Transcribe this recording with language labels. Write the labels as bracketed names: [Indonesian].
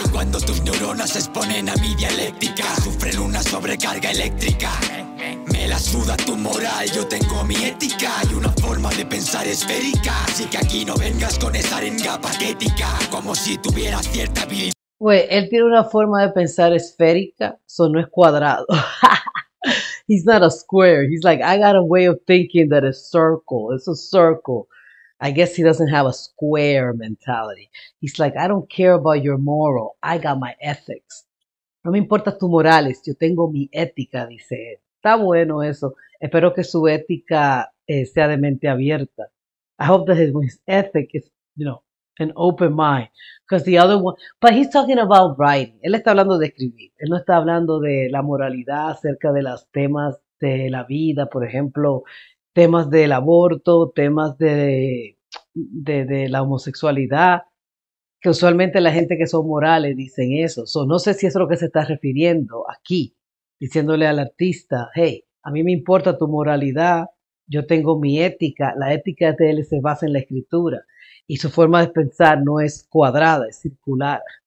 [Spanish] Y cuando tus neuronas se exponen a mi dialéctica, sufren una sobrecarga eléctrica. Me la suda tu moral, yo tengo mi ética y una forma de pensar esférica. Así que aquí no vengas con esa arenga patética, como si tuvieras cierta habilidad. Güey, él tiene una forma de pensar esférica, eso no es cuadrado. [English] He's not a square, he's like, I got a way of thinking that is circle, it's a circle. I guess he doesn't have a square mentality. He's like, I don't care about your moral. I got my ethics. [Spanish] No me importa tu morales. Yo tengo mi ética, dice él. Está bueno eso. Espero que su ética sea de mente abierta. [English] I hope that his ethic is, you know, an open mind. Because the other one, but he's talking about writing. [Spanish] Él está hablando de escribir. Él no está hablando de la moralidad acerca de los temas de la vida, por ejemplo, temas del aborto, temas de la homosexualidad, que usualmente la gente que son morales dicen eso. So, no sé si es lo que se está refiriendo aquí, diciéndole al artista, hey, a mí me importa tu moralidad, yo tengo mi ética, la ética de él se basa en la escritura y su forma de pensar no es cuadrada, es circular.